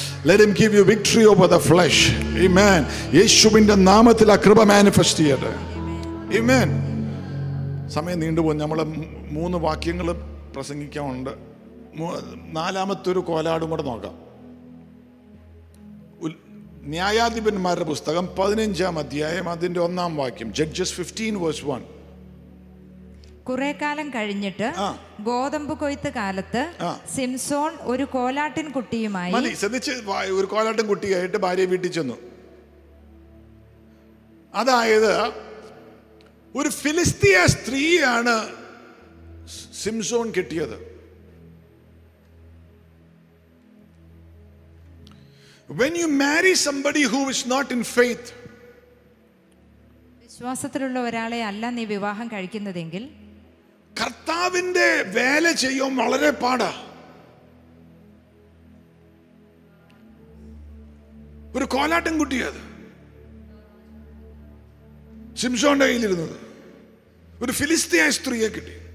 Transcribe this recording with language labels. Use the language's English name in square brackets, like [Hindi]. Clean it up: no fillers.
[English] Let him give you victory over the flesh. Amen. [Malayalam] യേശുവിന്റെ നാമത്തിൽ ആ കൃപ മാനിഫെസ്റ്റ് ചെയ്യട്ടെ. ഇമേൻ. സമയം നീണ്ടുപോകും. നമ്മൾ മൂന്ന് വാക്യങ്ങൾ പ്രസംഗിക്കാനുണ്ട്. നാലാമത്തെ ഒരു കോലാടും കൂടെ നോക്കാം. ന്യായാധിപന്മാരുടെ പുസ്തകം 15:1, ജഡ്ജസ് 15:1. കുറെ കാലം കഴിഞ്ഞിട്ട് ഗോതമ്പ് കൊയ്ത്ത് കാലത്ത് സിംസോൺ ഒരു കോലാട്ടിൻ കുട്ടിയുമായി ഒരു കോലാട്ടിൻ കുട്ടിയായിട്ട് ഭാര്യയെ വീട്ടിൽ ചെന്നു. അതായത് ഒരു ഫിലിസ്തീയ സ്ത്രീയാണ് സിംസോൺ കെട്ടിയത്. [English] When you marry somebody who is not in faith, [Malayalam] വിശ്വാസത്തിലുള്ള ഒരാളെ അല്ല നീ വിവാഹം കഴിക്കുന്നതെങ്കിൽ കർത്താവിന്റെ വേല ചെയ്യാൻ വളരെ പാടാ. ഒരു കോലാട്ടം കുട്ടിയത് സിംസോന്റെ കയ്യിലിരുന്നത് ഒരു ഫിലിസ്തീയ സ്ത്രീയെ കിട്ടി.